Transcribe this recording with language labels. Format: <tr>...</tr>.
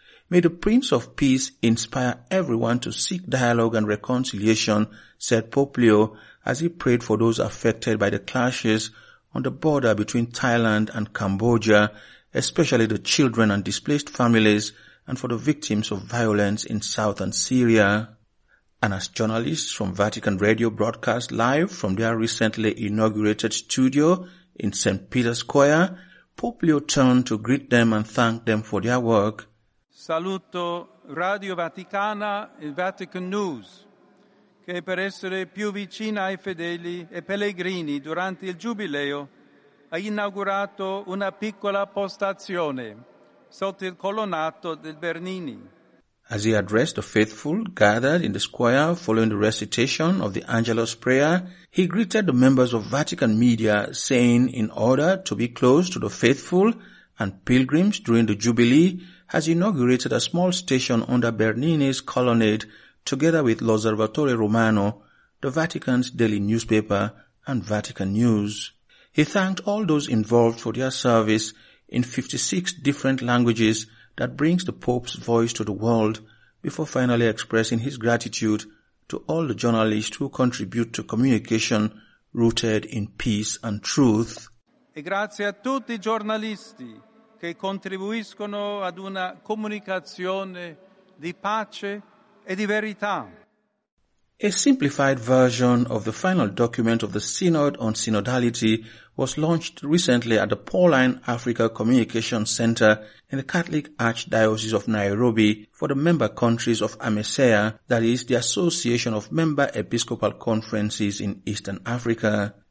<en>May the Prince of Peace inspire everyone to seek dialogue and reconciliation, said Pope Leo, as he prayed for those affected by the clashes on the border between Thailand and Cambodia, especially the children and displaced families, and for the victims of violence in southern Syria. And as journalists from Vatican Radio broadcast live from their recently inaugurated studio in St. Peter's Square, Pope Leo turned to greet them and thank them for their work.</en> <it>Saluto Radio Vaticana e Vatican News, che per essere più vicina ai fedeli e pellegrini durante il Giubileo ha inaugurato una piccola postazione sotto il colonnato del Bernini.</it> <en>As he addressed the faithful gathered in the square following the recitation of the Angelus prayer, he greeted the members of Vatican media, saying, in order to be close to the faithful and pilgrims during the Jubilee, has inaugurated a small station under Bernini's colonnade together with L'Osservatore Romano, the Vatican's daily newspaper, and Vatican News. He thanked all those involved for their service in 56 different languages that brings the Pope's voice to the world, before finally expressing his gratitude to all the journalists who contribute to communication rooted in peace and truth.</en> <it>E grazie a tutti i giornalisti che contribuiscono ad una comunicazione di pace e di verità.</it> <en>A simplified version of the final document of the Synod on Synodality was launched recently at the Pauline Africa Communication Center in the Catholic Archdiocese of Nairobi for the member countries of AMECEA, that is, the Association of Member Episcopal Conferences in Eastern Africa.</en>